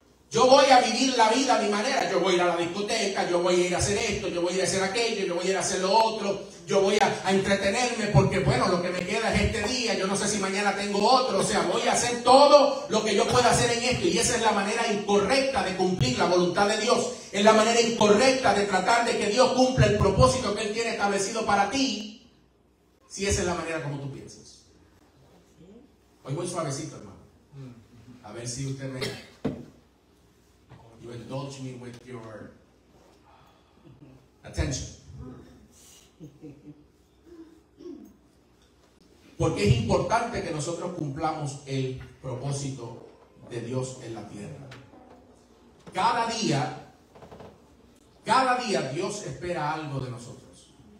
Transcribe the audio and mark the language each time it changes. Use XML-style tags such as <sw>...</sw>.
<es>Yo voy a vivir la vida a mi manera. Yo voy a ir a la discoteca, yo voy a ir a hacer esto, yo voy a ir a hacer aquello, yo voy a ir a hacer lo otro, yo voy a entretenerme porque, bueno, lo que me queda es este día, yo no sé si mañana tengo otro. O sea, voy a hacer todo lo que yo pueda hacer en esto. Y esa es la manera incorrecta de cumplir la voluntad de Dios. Es la manera incorrecta de tratar de que Dios cumpla el propósito que Él tiene establecido para ti, si esa es la manera como tú piensas. Hoy voy suavecito, hermano. A ver si usted me...</es> <en>You indulge me with your attention.</en> <es>Porque es importante que nosotros cumplamos el propósito de Dios en la tierra. Cada día Dios espera algo de nosotros.</es>